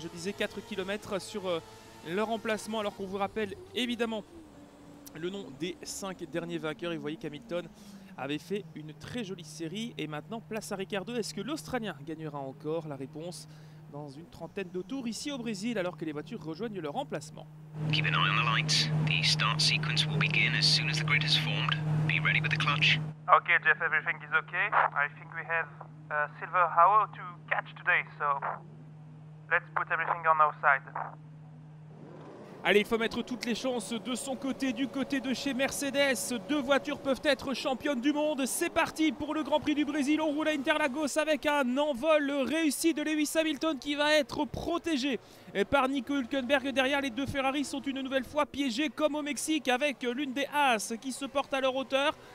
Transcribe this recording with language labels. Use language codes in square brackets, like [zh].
[fr] Je disais 4 km sur leur emplacement, alors qu'on vous rappelle évidemment le nom des 5 derniers vainqueurs. Et vous voyez qu'Hamilton avait fait une très jolie série. Et maintenant, place à Ricciardo. Est-ce que l'Australien gagnera encore? La réponse dans une trentaine de tours ici au Brésil, alors que les voitures rejoignent leur emplacement. [en] Keep an eye on the lights. The start sequence will begin as soon as the grid is formed. Be ready with the clutch. Ok, Jeff, everything is ok. I think we have Silver Hour to catch today, so let's put everything on our side. [fr] Allez, il faut mettre toutes les chances de son côté, du côté de chez Mercedes. Deux voitures peuvent être championnes du monde. C'est parti pour le Grand Prix du Brésil. On roule à Interlagos avec un envol réussi de Lewis Hamilton qui va être protégé par Nico Hülkenberg. Derrière, les deux Ferrari sont une nouvelle fois piégés comme au Mexique avec l'une des Haas qui se porte à leur hauteur.